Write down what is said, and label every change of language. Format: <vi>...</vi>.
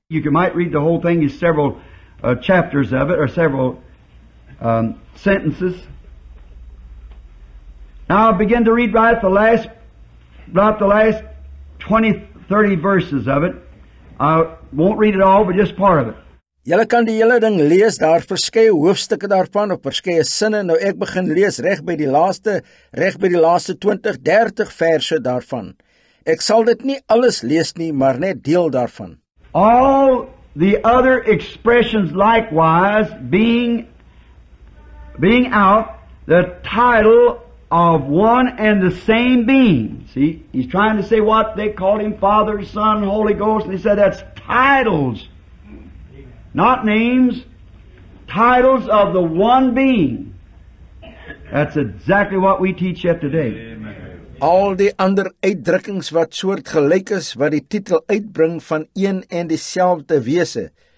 <en>You might read the whole thing, is several chapters of it, or several sentences. Now I'll begin to read right at the last, about the last 20-30 verses of it. I won't read it all, but just part of it.</en> <af>Julle kan die hele ding lees, daar verskeie hoofstukke daarvan of verskeie sinne. Nou ek begin lees reg by die laaste 20-30 verse daarvan. Ek sal dit nie alles lees nie, maar net deel daarvan.</af> <en>All the other expressions likewise being out the title of one and the same being. See, he's trying to say what they called him, Father, Son, Holy Ghost, and he said that's titles, not names, titles of the one being. That's exactly what we teach yet today. Amen. All the other</en> <af>uitdrukkings wat soort gelyk is, wat die titel uitbring van een en dieselfde wese.</af>